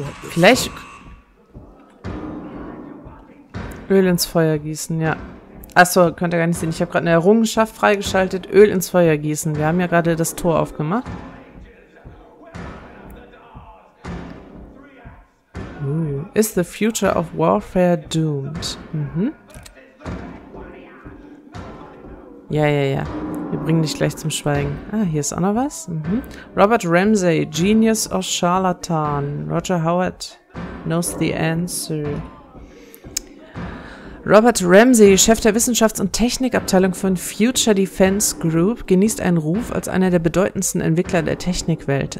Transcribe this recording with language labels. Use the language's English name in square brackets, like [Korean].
[German] Vielleicht... Öl ins Feuer gießen, ja. Achso, könnt ihr gar nicht sehen. Ich habe gerade eine Errungenschaft freigeschaltet. Öl ins Feuer gießen. Wir haben ja gerade das Tor aufgemacht. [English] Is the future of warfare doomed? Mhm. [German] Ja, ja, ja. Wir bringen dich gleich zum Schweigen. Ah, hier ist auch noch was. Mhm. [English] Robert Ramsay, genius or charlatan? Roger Howard knows the answer. [German] Robert Ramsey, Chef der Wissenschafts- und Technikabteilung von Future Defense Group, genießt einen Ruf als einer der bedeutendsten Entwickler der Technikwelt.